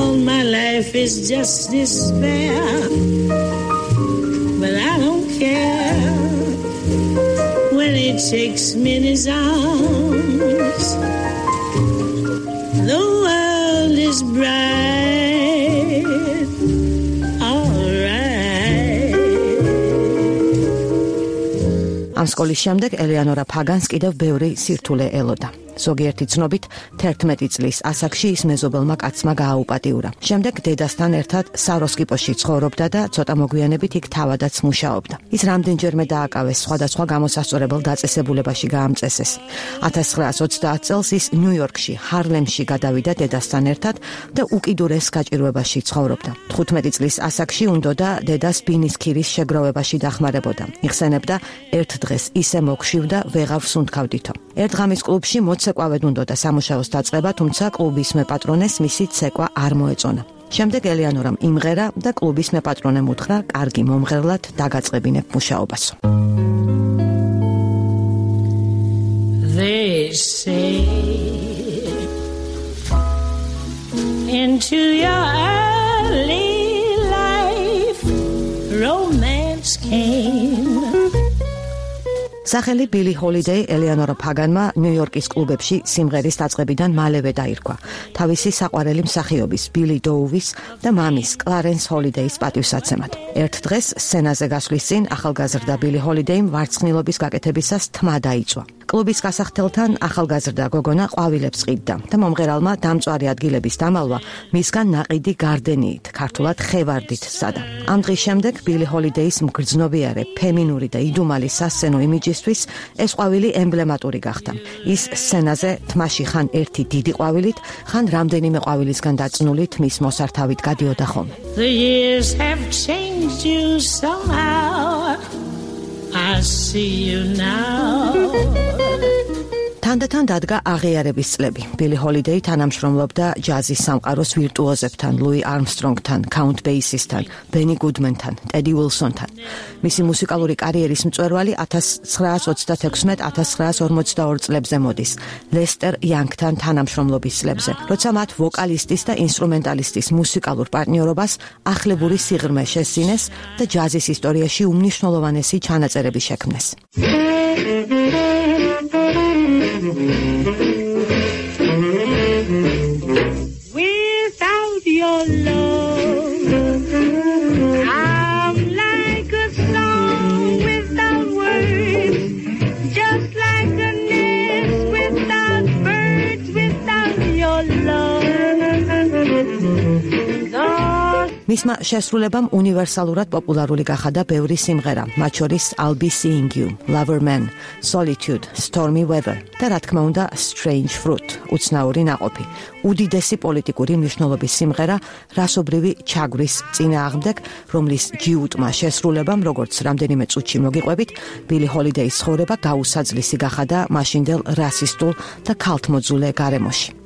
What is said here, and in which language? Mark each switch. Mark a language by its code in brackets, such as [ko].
[en] My life is just despair, but I don't care when he takes me in his arms. The world is bright, all right. [ka] ამ სკოლის შემდეგ ელეანორა ფაგანს კიდევ ბევრი სირთულე ელოდა. ზოგიერთი ცნობით 11 წლის ასაკში ის მეზობელმა კაცმა გააუპატიურა. შემდეგ დედასთან ერთად საროსკიპოში ცხოვრობდა და ცოტა მოგვიანებით იქ თავადაც მუშაობდა. ის რამდენჯერმე დააკავეს სხვადასხვა გამოსასწორებელ დაწესებულებაში გაამწესეს. 1930 წელს ის ნიუ-იორკში, ჰარლემში გადავიდა დედასთან ერთად და უკიდურეს გაჭირვებაში ცხოვრობდა. 15 წლის ასაკში უნდოდა დედას ბინისქირის შეგროვებაში დახმარებოდა. იხსენებდა, ერთ დღეს ისე მოკშივდა, ვეღარ ვსუნთქავდითო. ერთ ღამის კლუბში მოცეკვავედ უნდოდა სამუშაოს დაწყება, თუმცა კლუბის მეპატრონეს მისი ცეკვა არ მოეწონა. შემდეგ ელეანორამ იმღერა და კლუბის მეპატრონემ უთხრა, კარგი მომღერლად დაგაწყებინებ მუშაობას. [en] They say into your early life romance came. [ka] სახელი ბილი ჰოლიდეი ელეანორა ფაგანმა ნიუ-იორკის კლუბებში სიმღერის დაწყებიდან მალევე დაირქვა თავისი საყვარელი მსახიობის ბილი დოუვის და მამის კლარენს ჰოლიდეის პატივსაცემად. ერთ დღეს სცენაზე გასვლის წინ ახალგაზრდა ბილი ჰოლიდეიმ ვარცხნილობის გაკეთებისას თმა დაიწვა. კლუბის გასახთელთან ახალგაზრდა გოგონა ყვავილებს ყიდდა და მომღერალმა დამწვარი ადგილების დამალვა მისგან ნაყიდი გარდენიით, ქართულად ხევარდით სადა. ამ დღის შემდეგ ბილი ჰოლიდეის მგრძნობიარე, ფემინური და იდუმალი სასცენო იმიჯისთვის ეს ყვავილი ემბლემატური გახდა. ის სცენაზე თმაში ხან ერთი დიდი ყვავილით, ხან რამდენიმე ყვავილისგან დაწნული თმის მოსართავით გადიოდა ხოლმე. [en] The years have changed you somehow. I see you now. [ka] თან ბანდთან დადგა აღიარების წლები. ბილი ჰოლიდეი თანამშრომლობდა ჯაზის სამყაროს ვირტუოზებთან, ლუი არმსტრონგთან, კაუნტ ბეისისთან, ბენი გუდმენთან, ტედი უილსონთან. მისი მუსიკალური კარიერის მწვერვალი 1926-1942 წლებზე მოდის, ლესტერ იანგთან თანამშრომლობის წლებზე, როცა მათ ვოკალისტის და ინსტრუმენტალისტის მუსიკალურ პარტნიორობას ახლებური სიღრმე შესძინეს და ჯაზის ისტორიაში უმნიშვნელოვანესი ჩანაწერები შექმნეს. [en] Without your love, I'm like a song without words, just like a nest without birds, without your love. [ka] მისმა შესრულებამ უნივერსალურად პოპულარული გახადა ბევრი სიმღერა, მათ შორის I'll Be Seeing You, Lover Man, Solitude, Stormy Weather და რა თქმა უნდა Strange Fruit, უცნაური ნაყოფი, უდიდესი პოლიტიკური მნიშვნელობის სიმღერა რასობრივი ჩაგვრის წინააღმდეგ, რომლის ჯიუტმა შესრულებამ, როგორც რამდენიმე წუთში მოგიყვებით, ბილი ჰოლიდეის ცხოვრება გაუსაძლისი გახადა მაშინდელ რასისტულ და ქალთმოძულე გარემოში.